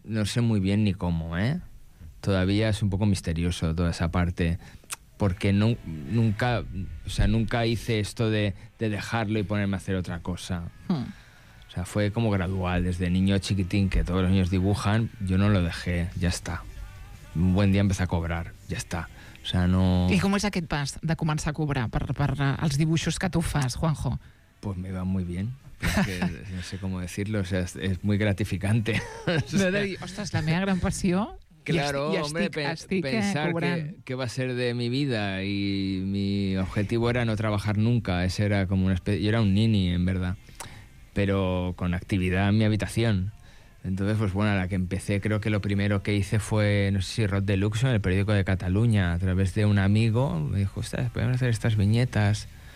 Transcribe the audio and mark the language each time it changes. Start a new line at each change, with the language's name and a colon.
Spanish: No sé muy bien ni cómo, ¿eh? Todavía es un poco misterioso toda esa parte, porque nunca hice esto de dejarlo y ponerme a hacer otra cosa. O sea, fue como gradual, desde niño chiquitín, que todos los niños dibujan, yo no lo dejé, ya está. Un buen día empecé a cobrar, ya está. O sea, no... ¿Y cómo
Catalan: és aquest pas de començar a cobrar per els dibuixos que tu fas, Juanjo?
Spanish: Pues me va muy bien. Porque, no sé cómo decirlo, o sea, es muy gratificante.
Catalan: O sea, no, ostres, la meva gran passió...
Spanish: Claro, pensar qué va a ser de mi vida y mi objetivo era no trabajar nunca. Ese era como una especie... Yo era un nini, en verdad, pero con actividad en mi habitación. Entonces, pues bueno, a la que empecé, creo que lo primero que hice fue, no sé si Rod Deluxe, en el periódico de Cataluña, a través de un amigo, me dijo, ostras, podemos hacer estas viñetas.